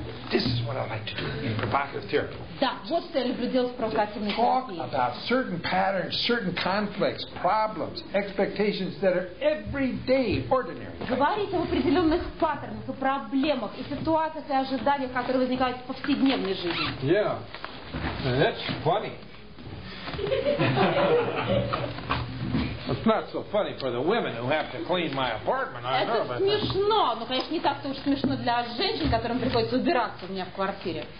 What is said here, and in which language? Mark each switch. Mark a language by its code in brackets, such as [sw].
[en] This is what I like to do in provocative therapy. [ru] Да, вот что я люблю делать в провокативной терапии. [en] Talk about certain patterns, certain conflicts, problems, expectations that are everyday, ordinary. [ru] Говорить об определенных паттернах и проблемах и ситуациях и ожиданиях, которые возникают в повседневной жизни. [en] Yeah, that's funny. It's not so funny for the women who have to clean my apartment. I [ru] это смешно, that. Но, конечно, не так-то уж смешно для женщин, которым приходится убираться у меня в квартире.